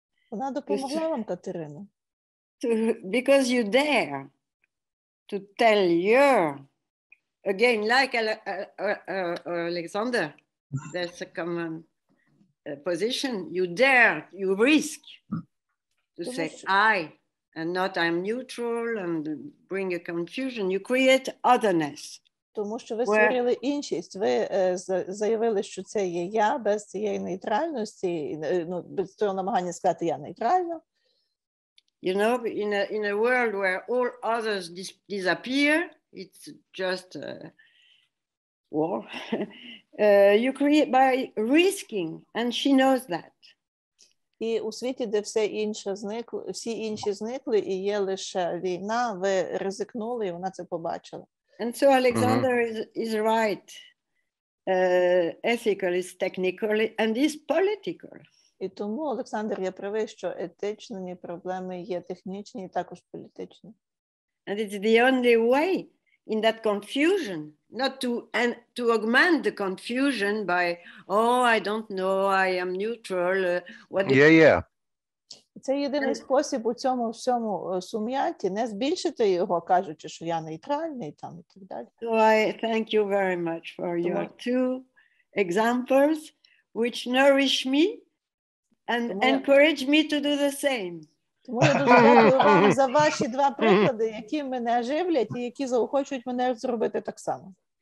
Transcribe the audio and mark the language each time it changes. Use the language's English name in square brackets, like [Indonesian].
[Ukrainian] Вона допомогла вам, Катерина. [English] Because you dare to tell your again, like Alexander, that's a common position. You dare, you risk to say I. And not I'm neutral and bring a confusion. You create otherness. [Ukrainian] Тому що ви створили іншість. Ви заявили, що це є я без цієї нейтральності, ну, без цього намагання сказати я нейтрально. [English] You know, in a world where all others disappear, it's just war. you create by risking, and she knows that. [Ukrainian] І у світі, де все інше зникло, всі інші зникли, і є лише війна, ви ризикнули, і вона це побачила. [English] And so Alexander is right. Ethical is technical and is political. [Ukrainian] І тому Олександр є правий, що етичні проблеми є технічні і також політичні. [English] And it's the only way in that confusion, not to and to augment the confusion by oh, I don't know, I am neutral. [Ukrainian] Це єдиний спосіб у цьому всьому сум'яті не збільшити його, кажучи, що я нейтральний там і так далі. [English] So I thank you very much for your two examples, which nourish me and encourage me to do the same. [Ukrainian] Тому я дуже дякую вам за ваші два приклади, які мене оживлять і які заохочують мене зробити так само.